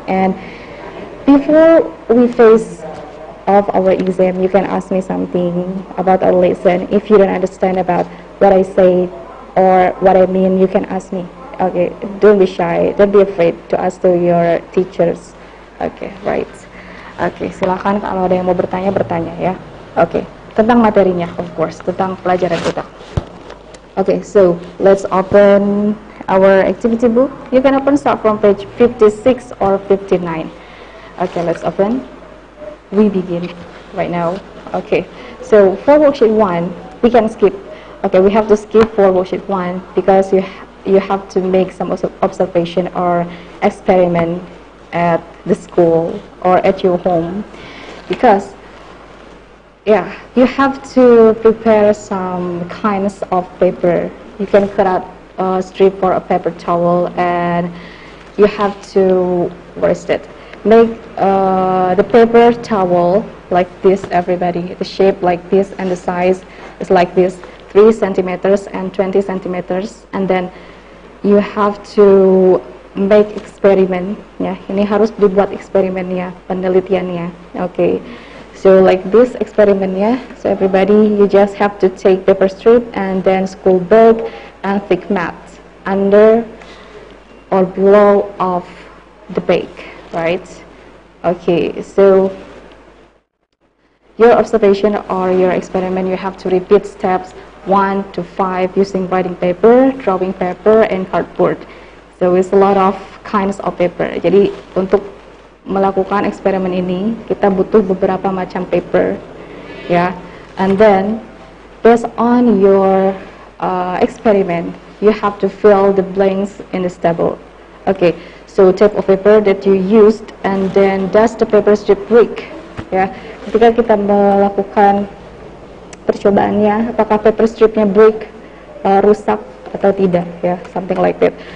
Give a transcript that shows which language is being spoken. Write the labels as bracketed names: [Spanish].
[English] And before we face off our exam, you can ask me something about our lesson. If you don't understand about what I say or what I mean, you can ask me. Okay, don't be shy. Don't be afraid to ask to your teachers. Okay, right. [Indonesian] Okay, silakan kalau ada yang mau bertanya, bertanya ya. [English] Okay, [Indonesian] tentang materinya, [English] of course, [Indonesian] tentang pelajaran kita. [English] Okay, so let's open our activity book. You can open start from page 56 or 59. Okay, let's open. We begin right now. Okay, so for worksheet 1, we can skip. Okay, we have to skip for worksheet 1 because you have to make some observation or experiment at the school or at your home. Because yeah, you have to prepare some kinds of paper. You can cut out a strip or a paper towel, and you have to, what is it? Make the paper towel like this, everybody. The shape like this, and the size is like this, 3 centimeters and 20 centimeters. And then you have to make experiment. [Indonesian] Yeah, ini harus dibuat eksperimennya, penelitiannya. [English] Okay. So like this experiment, yeah. So everybody, you just have to take paper strip and then school bag and thick mat under or below of the bag, right? Okay, so your observation or your experiment, you have to repeat steps 1 to 5 using writing paper, drawing paper, and cardboard. So it's a lot of kinds of paper. [Indonesian] Jadi untuk melakukan eksperimen ini kita butuh beberapa macam paper ya, yeah. [English] And then based on your experiment, you have to fill the blanks in this table. Okay, so type of paper that you used, and then does the paper strip break, ya, yeah. [Indonesian] Ketika kita melakukan percobaannya, apakah paper stripnya [English] break, [Indonesian] rusak atau tidak, ya, yeah, [English] something like that.